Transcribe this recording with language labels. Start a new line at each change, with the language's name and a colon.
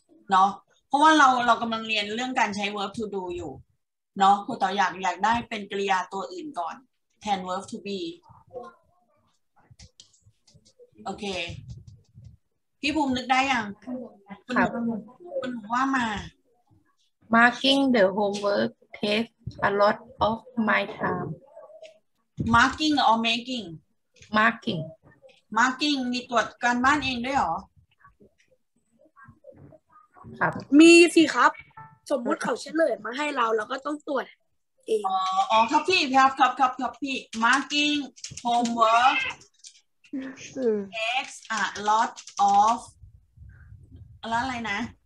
Thai: เนาะเพราะว่าเรากำลังเรียนเรื่องการใช้ verb to do อยู่เนาะคุณต่ออยากได้เป็นกริยาตัวอื่นก่อนแทน verb to be โอเคพี่ภูมินึกได้ยังคุณว่ามา
English: marking the homework takes a lot of my time marking or making marking
Thai: มีตรวจการบ้านเองด้วยหรอ ครับ มีสิครับสมมุติเขาเฉลยมาให้เราก็ต้องตรวจ อ๋อครับพี่ครับพี่
English: marking homework takes a lot of
Thai: อะไรนะ